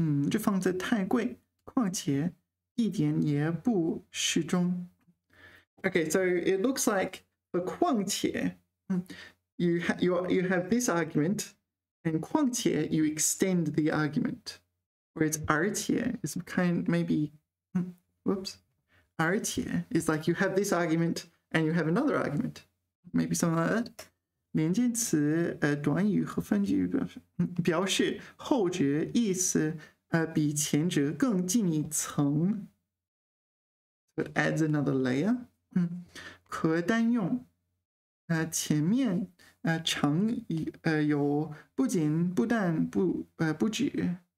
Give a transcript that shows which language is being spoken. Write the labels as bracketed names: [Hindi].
[Chinese] 这房子太贵，况且地点也不适中。 [English] Okay, so it looks like for 况且, you have this argument, and 况且 you extend the argument, whereas 而且 is kind maybe... Whoops. 而且 is like you have this argument and you have another argument. Maybe something like that. [Chinese] 连接词短语和分句表示后者意思比前者更近一层。 [English] So it adds another layer. [Chinese] 可单用前面常有不仅不但不不止。